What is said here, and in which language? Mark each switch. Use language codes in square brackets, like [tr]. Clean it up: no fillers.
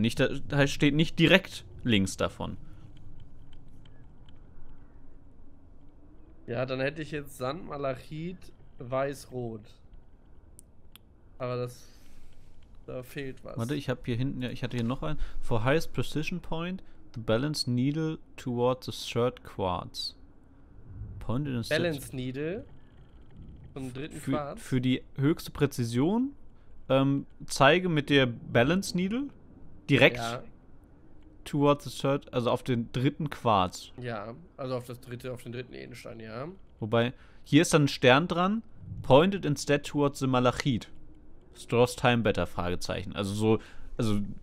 [de] Nicht, da steht nicht direkt links davon. Ja, dann hätte ich jetzt Sand, Malachit, Weiß-Rot. Aber das... Da fehlt was. Warte, ich habe hier hinten, ja, ich hatte hier noch einen. [en] For highest precision point, the balance needle towards the third quartz. Point in the balance third needle [de] vom dritten Quartz. Für die höchste Präzision zeige mit der balance needle direkt ja. [en] Towards the third, [de] also auf den dritten Quartz. Ja, also auf das dritte, auf den dritten Edelstein, ja. Wobei, hier ist dann ein Stern dran. [en] Point it instead towards the malachite. Stores time better? [de] Fragezeichen. Also so, also